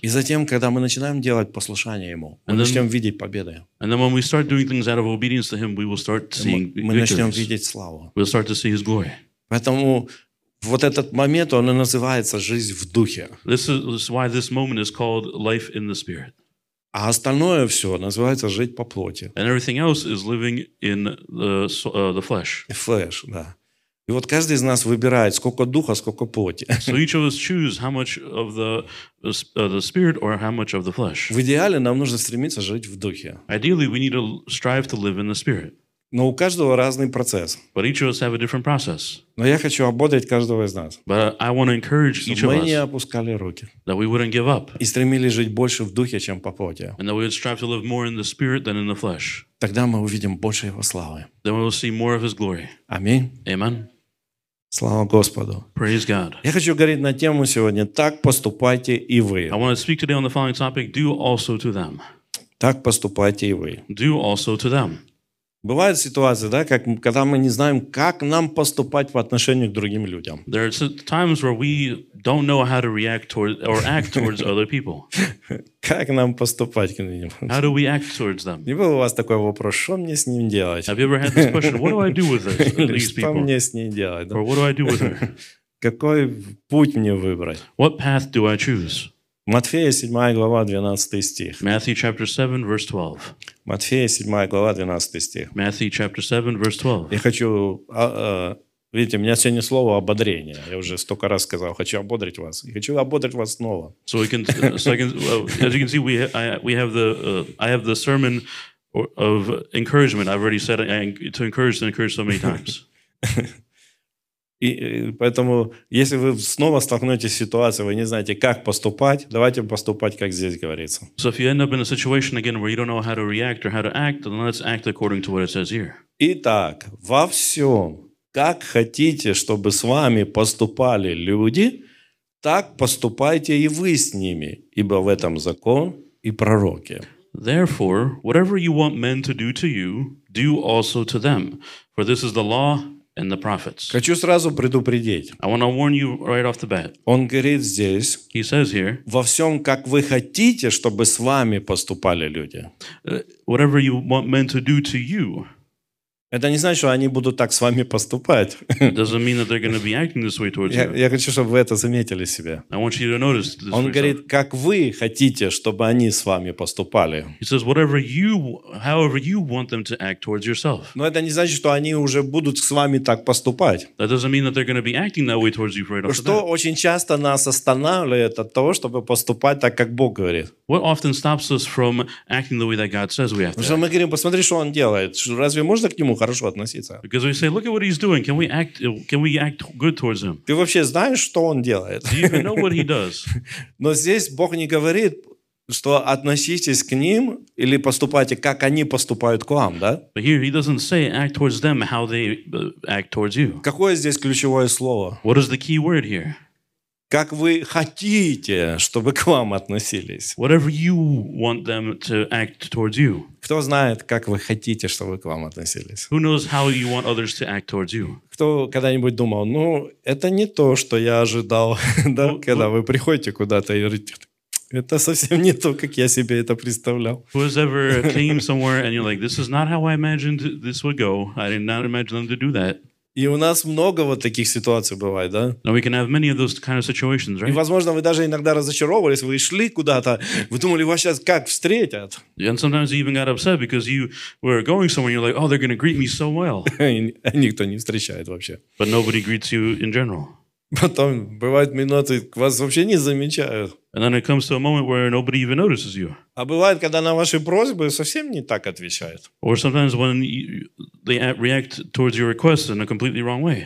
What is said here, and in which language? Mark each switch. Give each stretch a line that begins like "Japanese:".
Russian: И затем, когда мы начинаем делать послушание Ему,
English: and
Russian: мы начнем видеть победы.
English: And then when we start doing things out of obedience to Him, we will start seeing
Russian: victories. Мы начнем видеть славу.
English: We'll start to see His glory.
Russian: Поэтому вот этот момент, он и называется «жизнь в духе».
English: This is why this moment is called life in the spirit.
Russian: А остальное все называется «жить по плоти».
English: And everything else is living in the flesh. Flesh, да.
Russian: И вот каждый из нас выбирает, сколько духа, сколько плоти.
English: So each of us choose how much of the spirit or how much of the flesh.
Russian: В идеале нам нужно стремиться жить в духе.
English: Ideally, we need to strive to live in the spirit.
Russian: Но у каждого разный процесс.
English: But each of us have a different process.
Russian: Но я хочу ободрить каждого из нас.
English: But I want to encourage each of us.
Russian: Чтобы мы не опускали руки.
English: That we wouldn't give up.
Russian: И стремились жить больше в духе, чем по плоти.
English: And that we would strive to live more in the spirit than in the flesh.
Russian: Тогда мы увидим больше Его славы.
English: Then we will see more of His glory.
Russian: Аминь.
English: Amen.
Russian: Слава Господу.
English: Praise God.
Russian: Я хочу говорить на тему сегодня. Так поступайте и вы.
English: I want to speak today on the following topic. Do also to them.
Russian: Так поступайте и вы.
English: Do also to them.
Russian: Бывают ситуации, да, как, когда мы не знаем, как нам поступать по отношению к другим людям.
English: There are times where we don't know how to react towards or act towards other people.
Russian: Как нам поступать к ним?
English: How do we act towards them?
Russian: Не было у вас такой вопрос, что мне с ним делать?
English: Have you ever had this question? What do I do with these people?
Russian: Что мне с ним делать?
English: Or what do I do with them?
Russian: Какой путь мне выбрать?
English: What path do I choose?
Russian: Матфея 7 глава 12 стих.
English: Matthew chapter 7 verse 12.
Russian: Матфея 7 глава 12 стих.
English: Matthew chapter 7 verse 12.
Russian: Я хочу, видите, у меня сегодня слово ободрение. Я уже столько раз сказал, хочу ободрить вас. Я хочу ободрить вас снова.
English: So we can, as you can see, I have the sermon of encouragement. I've already said to encourage and encourage so many times.
Russian: И поэтому, если вы снова столкнетесь с ситуацией, вы не знаете, как поступать, давайте поступать, как здесь говорится.
English: So if you end up in a situation again where you don't know how to react or how to act, then let's act according to what it says here.
Russian: Итак, во всем, как хотите, чтобы с вами поступали люди, так поступайте и вы с ними, ибо в этом закон и пророки.
English: Therefore, whatever you want men to do to you, do also to them, for this is the law and the prophets.
Russian: Хочу сразу предупредить.
English: I want to warn you right off the bat.
Russian: Он говорит здесь.
English: He says here.
Russian: Во всем, как вы хотите, чтобы с вами поступали люди.
English: Whatever you want men to do to you.
Russian: Это не значит, что они будут так с вами поступать.
English: It doesn't mean that they're going to be acting this way towards you.
Russian: Я хочу, чтобы вы это заметили себе.
English: I want you to notice this.
Russian: Он говорит, как вы хотите, чтобы они с вами поступали.
English: He says, whatever you, however you want them to act towards yourself.
Russian: Но это не значит, что они уже будут с вами так поступать.
English: That doesn't mean that they're going to be acting that way towards you right off the bat.
Russian: Что очень часто нас останавливает от того, чтобы поступать так, как Бог говорит.
English: What often stops us from acting the way that God says we have to?
Russian: Потому что мы говорим, посмотри, что он делает. Разве можно к нему хорошо относиться?
English: Because we say, look at what he's doing. Can we act good towards him?
Russian: Ты вообще знаешь, что он делает?
English: Do you even know what he does?
Russian: Но здесь Бог не говорит, что относитесь к ним или поступайте, как они поступают к вам, да?
English: But here he doesn't say act towards them how they act towards you.
Russian: Какое здесь ключевое слово?
English: What is the key word here?
Russian: как вы хотите, чтобы к вам относились.
English: Whatever you want them to act towards you.
Russian: Кто знает, как вы хотите, чтобы к вам относились?
English: Who knows how you want others to act towards you?
Russian: Кто когда-нибудь думал, ну, это не то, что я ожидал, да, well, когда вы приходите куда-то и говорите, это совсем не то, как я себе это представлял.
English: Who has ever came somewhere and you're like, this is not how I imagined this would go. I did not imagine them to do that.
Russian: И у нас много вот таких ситуаций бывает, да?
English: And we can have many of those kind of situations, right?
Russian: И, возможно, вы даже иногда разочаровывались, вы шли куда-то, вы думали, вас сейчас как встретят?
English: And sometimes you even got upset because you were going somewhere, you're like, oh, they're going to greet me so well.
Russian: Никто не встречает вообще.
English: But nobody greets you in general.
Russian: Потом бывают минуты, вас вообще не замечают.
English: And then it comes to a moment where nobody even notices you.
Russian: А бывает, когда на ваши просьбы совсем не так отвечают.
English: Or sometimes when they react towards your requests in a completely wrong way.